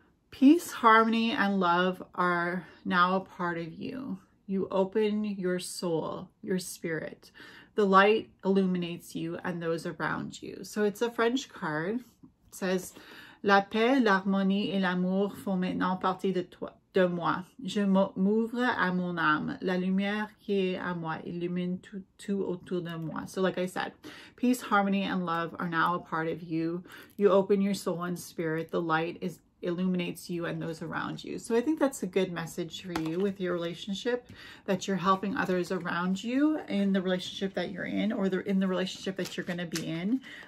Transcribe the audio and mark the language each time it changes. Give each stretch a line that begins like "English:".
English: Peace, harmony, and love are now a part of you. You open your soul, your spirit. The light illuminates you and those around you. So it's a French card. It says,
French: La paix, l'harmonie et l'amour font maintenant partie de toi, de moi. Je m'ouvre à mon âme. La lumière qui est à moi illumine tout autour de moi.
English: So like I said, peace, harmony and love are now a part of you. You open your soul and spirit. The light illuminates you and those around you. So I think that's a good message for you with your relationship, that you're helping others around you in the relationship that you're in, or in the relationship that you're going to be in.